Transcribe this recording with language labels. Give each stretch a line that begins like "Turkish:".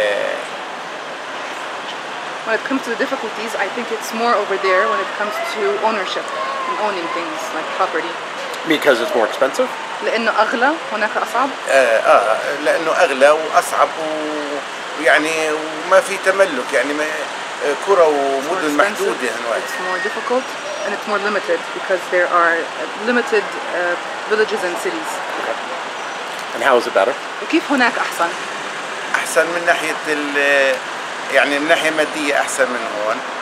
English: When it comes to the difficulties, I think it's more over there when it comes to ownership and owning things like property. Because it's more expensive.
Arabic: لأنه أغلى هناك أصعب. لأنه أغلى وأصعب ويعني وما في تملك يعني ما كرة ومدن محدودة هنوعي.
English: It's more difficult. And it's more limited because there are limited villages and cities. Okay. And how is it better?
Arabic: وكيف هناك أحسن؟ أحسن من ناحية ال يعني من ناحية مادية أحسن من هون.